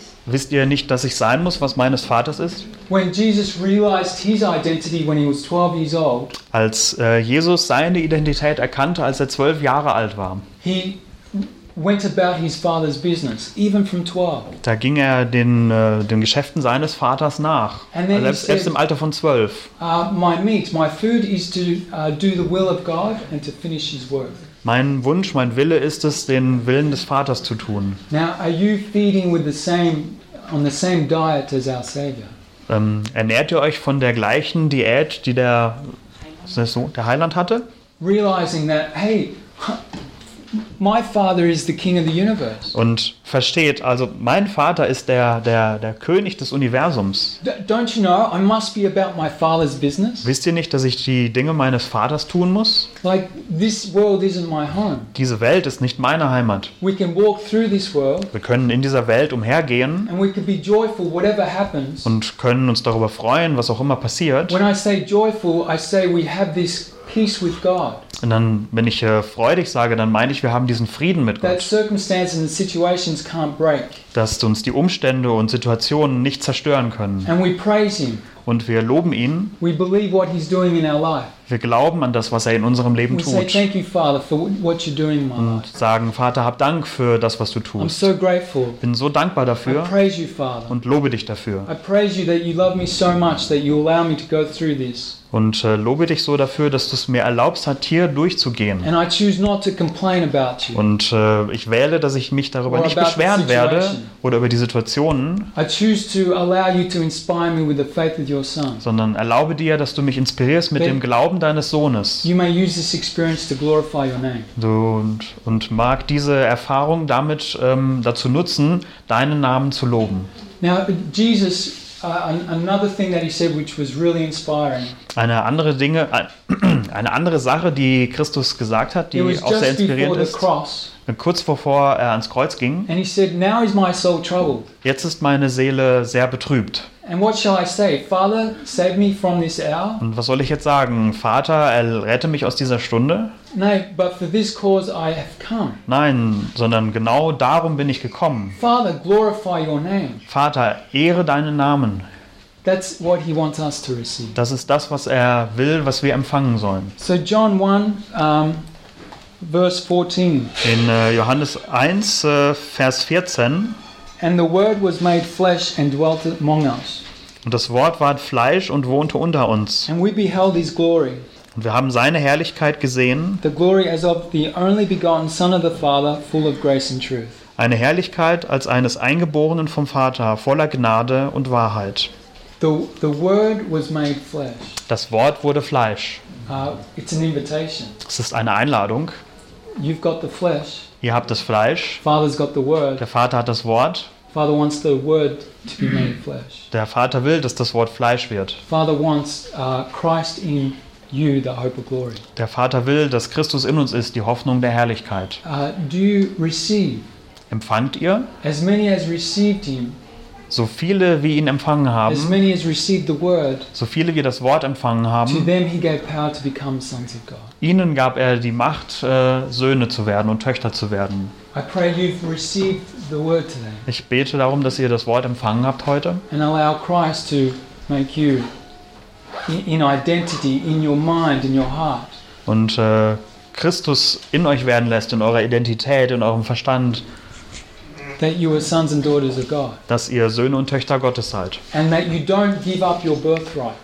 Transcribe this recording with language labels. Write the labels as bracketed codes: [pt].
[de] Wisst ihr nicht, dass ich sein muss, was meines Vaters ist? [en] When Jesus realized his identity when he was 12 years old. [de] Als Jesus seine Identität erkannte, als er 12 Jahre alt war. [en] He went about his father's business even from 12. [de] Da ging er den Geschäften seines Vaters nach, selbst im Alter von 12. [en] My meat, my food is to do the will of God and to finish his work. [de] Mein Wunsch, mein Wille ist es, den Willen des Vaters zu tun. [en] Now are you feeding with the same on the same diet as our Savior? [de] Ernährt ihr euch von der gleichen Diät, die der Heiland hatte? [en] Realizing that, hey, my father is the king of the universe. [de] Und versteht, also mein Vater ist der König des Universums. [en] Don't you know I must be about my father's business? [de] Wisst ihr nicht, dass ich die Dinge meines Vaters tun muss? [en] Like this world isn't my home. [de] Diese Welt ist nicht meine Heimat. [en] We can walk through this world. [de] Wir können in dieser Welt umhergehen. [en] And we can be joyful whatever happens. [de] Und können uns darüber freuen, was auch immer passiert. [en] When I say joyful, I say we have this peace with God. [de] Und dann, wenn ich freudig sage, dann meine ich, wir haben diesen Frieden mit Gott. [en] That circumstances and situations can't break. [de] Dass uns die Umstände und Situationen nicht zerstören können. [en] And we praise him. [de] Und wir loben ihn. [en] We believe what he's doing in our life. [de] Wir glauben an das, was er in unserem Leben [en] we [de] tut. [en] Say, thank you, Father, for what you're doing in my life. [de] Und sagen, Vater, hab Dank für das, was du tust. [en] I'm so grateful. [de] Bin so dankbar dafür. [en] I praise you, Father. [de] Und lobe dich dafür. [en] I praise you that you love me so much that you allow me to go through this. [de] Und lobe dich so dafür, dass du es mir erlaubst, halt hier durchzugehen. [en] And I choose not to complain about you. [de] Und ich wähle, dass ich mich darüber nicht beschweren werde oder über die Situationen. [en] I choose to allow you to inspire me with the faith of your son. [de] Sondern erlaube dir, dass du mich inspirierst mit dem Glauben deines Sohnes. [en] You may use this experience to glorify your name. [de] Und mag diese Erfahrung damit dazu nutzen, deinen Namen zu loben. [en] Now Jesus. Another thing that he said, which was really inspiring. [de] Eine andere Sache, die Christus gesagt hat, die auch sehr inspirierend ist. Kurz bevor er ans Kreuz ging. [en] And he said, "Now is my soul troubled." [de] Jetzt ist meine Seele sehr betrübt. [en] And what shall I say, Father, save me from this hour? [de] Und was soll ich jetzt sagen, Vater, errette mich aus dieser Stunde? [en] No, but for this cause I have come. [de] Nein, sondern genau darum bin ich gekommen. [en] Father, glorify your name. [de] Vater, ehre deinen Namen. [en] That's what he wants us to receive. [de] Das ist das, was er will, was wir empfangen sollen. [en] So John 1:14. [de] In Johannes 1, Vers 14. [en] And the word was made flesh and dwelt among us. [de] Und das Wort ward Fleisch und wohnte unter uns. [en] And we beheld his glory. [de] Und wir haben seine Herrlichkeit gesehen. [en] The glory as of the only begotten Son of the Father, full of grace and truth. [de] Eine Herrlichkeit als eines Eingeborenen vom Vater, voller Gnade und Wahrheit. [en] The word was made flesh. [de] Das Wort wurde Fleisch. [en] It's an invitation. [de] Es ist eine Einladung. [en] You've got the flesh. [de] Ihr habt das Fleisch. [en] Father's got the word. [de] Der Vater hat das Wort. [en] Father wants the word to be made flesh. [de] Der Vater will, dass das Wort Fleisch wird. [en] Father wants Christ in you, the hope of glory. [de] Der Vater will, dass Christus in uns ist, die Hoffnung der Herrlichkeit. [en] Do you receive? [de] Empfangt ihr? [en] As many as received him. [de] So viele, wie ihn empfangen haben. [en] As many as received the word. [de] So viele, wie das Wort empfangen haben. [en] To them he gave power to become sons of God. [de] Ihnen gab er die Macht, Söhne zu werden und Töchter zu werden. [en] I pray you've received the word today. [de] Ich bete darum, dass ihr das Wort empfangen habt heute. [en] And allow Christ to make you in identity, in your mind, in your heart. [de] Und Christus in euch werden lässt, in eurer Identität, in eurem Verstand. [en] That you are sons and daughters of God. [de] Dass ihr Söhne und Töchter Gottes seid. [en] And that you don't give up your birthright.